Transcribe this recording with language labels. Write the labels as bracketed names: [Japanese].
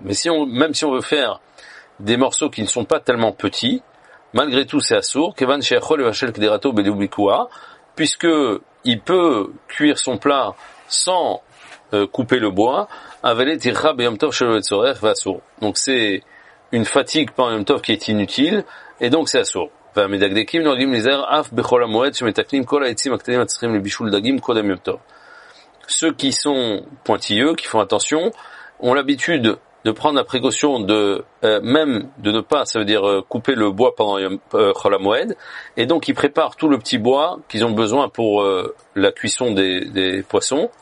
[French] Mais si on, même si on veut faire des morceaux qui ne sont pas tellement petits, malgré tout c'est assur, [Hebrew] kevan sheyachol evashel kederato bedubikua, [French] puisque il peut cuire son plat sans couper le bois, [Hebrew] avele tircha beyom tov shelo etzorech vasur. [French] Donc c'est une fatigue pendant yom tov qui est inutile, et donc c'est assur. [Hebrew] והמדקדקים נוהגים להיזהר אף בכל המועד שמתקנים כל העצים הקטנים הצריכים לבישול דגים קודם יום טוב. [French] Ceux qui sont pointilleux, qui font attention, ont l'habitude de prendre la précaution de même de ne pas, ça veut dire couper le bois pendant chol hamoed, et donc ils préparent tout le petit bois qu'ils ont besoin pour la cuisson des poissons.